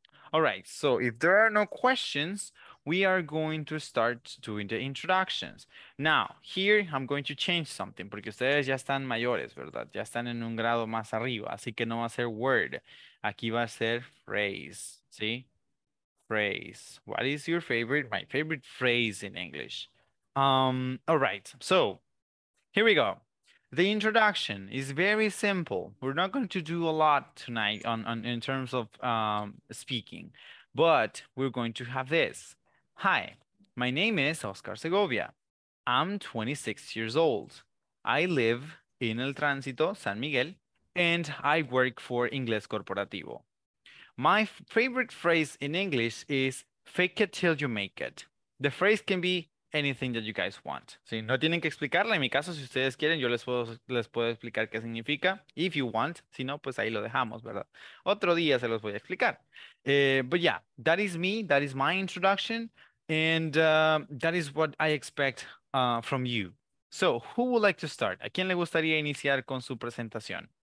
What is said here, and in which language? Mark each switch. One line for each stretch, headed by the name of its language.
English: All right, so if there are no questions, we are going to start doing the introductions. Now, here I'm going to change something
Spanish: porque ustedes ya están mayores, ¿verdad? Ya están en un grado más arriba, así que no va a ser word. Aquí va a ser phrase, ¿sí? Phrase.
English: What is your favorite? My favorite phrase in English. All right, so here we go. The introduction is very simple. We're not going to do a lot tonight on in terms of speaking, but we're going to have this. Hi, my name is Oscar Segovia. I'm 26 years old. I live in El Tránsito, San Miguel, and I work for Inglés Corporativo. My favorite phrase in English is fake it till you make it. The phrase can be anything that you guys want.
Spanish: Sí, no tienen que explicarla. En mi caso, si ustedes quieren, yo les puedo explicar qué significa.
English: If you want.
Spanish: Si no, pues ahí lo dejamos, ¿verdad? Otro día se los voy a explicar.
English: But yeah, that is me. That is my introduction. And that is what I expect from you. So, who would like to start?
Spanish: ¿A quién le gustaría iniciar con su presentación?